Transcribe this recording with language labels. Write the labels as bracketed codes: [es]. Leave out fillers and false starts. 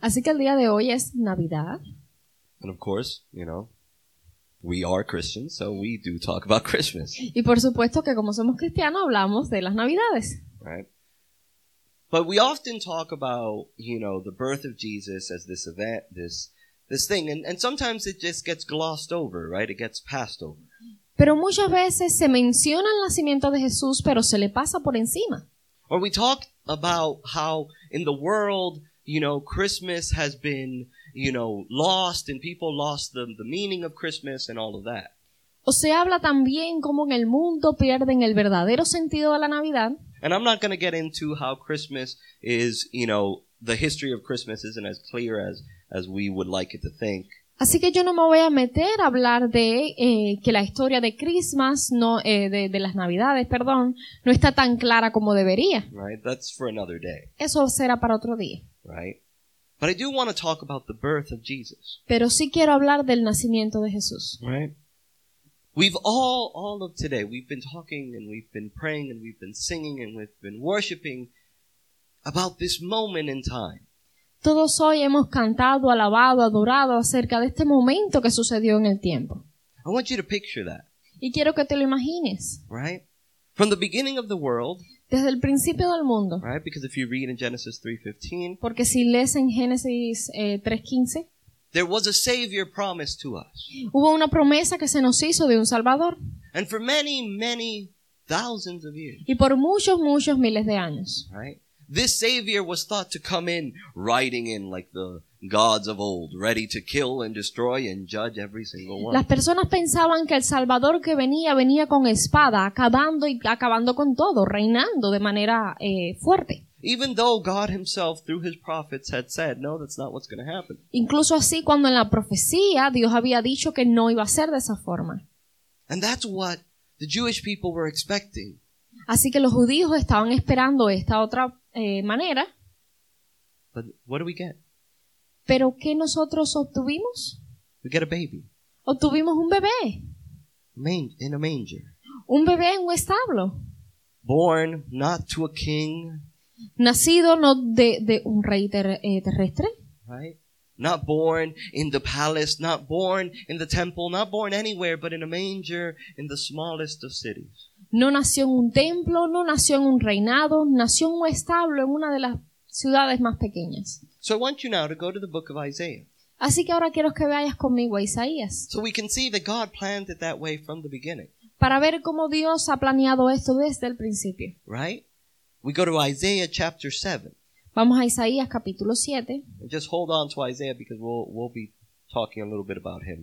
[es] Así que el día de hoy es Navidad. [en] And of course, you know, we are Christians, so we do talk about Christmas. [es] Y por supuesto que como somos cristianos, hablamos de las Navidades. [en] Right? But we often talk about, you know, the birth of Jesus as this event, this thing, and sometimes it just gets glossed over, right? It gets passed over. [es] Pero muchas veces se menciona el nacimiento de Jesús, pero se le pasa por encima. [en] Or we talk about how in the world, you know, Christmas has been, you know, lost, and people lost the meaning of Christmas and all of that. [es] O se habla también como en el mundo pierden el verdadero sentido de la Navidad. [en] And I'm not going to get into how Christmas is, you know, the history of Christmas isn't as clear as we would like it to think. [es] Así que yo no me voy a meter a hablar de que la historia de Christmas, no, de las Navidades, perdón, no está tan clara como debería. [en] Right, that's for another day. [es] Eso será para otro día. [en] Right. But I do want to talk about the birth of Jesus. [es] Pero sí quiero hablar del nacimiento de Jesús. [en] Right. We've all of today, we've been talking and we've been praying and we've been singing and we've been worshiping about this moment in time. [es] Todos hoy hemos cantado, alabado, adorado acerca de este momento que sucedió en el tiempo. [en] I want you to picture that. [es] Y quiero que te lo imagines. [en] Right? From the beginning of the world. [es] Desde el principio del mundo. [en] Right? Because if you read in Genesis 3:15. [es] Porque si lees en Génesis 3:15. [en] There was a Savior promised to us. [es] Hubo una promesa que se nos hizo de un Salvador. [en] And for many, many thousands of years. [es] Y por muchos, muchos miles de años. [en] Right? This Savior was thought to come in riding in like the gods of old, ready to kill and destroy and judge every single one. [es] Las personas pensaban que el Salvador que venía con espada, acabando y acabando con todo, reinando de manera fuerte. [en] Even though God himself through his prophets had said, no, that's not what's going to happen. [es] Incluso así cuando en la profecía Dios había dicho que no iba a ser de esa forma. [en] And that's what the Jewish people were expecting. [es] Así que los judíos estaban esperando esta otra manera. [en] But what do we get? [es] ¿Pero qué nosotros obtuvimos? [en] We get a baby. [es] Obtuvimos un bebé. [en] In a manger. [es] Un bebé en un establo. [en] Born not to a king. [es] Nacido no de un rey terrestre. [en] Right? Not born in the palace, not born in the temple, not born anywhere, but in a manger in the smallest of cities. [es] No nació en un templo, no nació en un reinado, nació en un establo, en una de las ciudades más pequeñas. [en] So I want you now to go to the book of Isaiah. [es] Así que ahora quiero que vayas conmigo a Isaías. [en] So we can see that God planned it that way from the beginning. [es] Para ver cómo Dios ha planeado esto desde el principio. [en] Right? We go to Isaiah chapter 7. [es] Vamos a Isaías capítulo 7. [en] And just hold on to Isaiah because we'll be talking a little bit about him.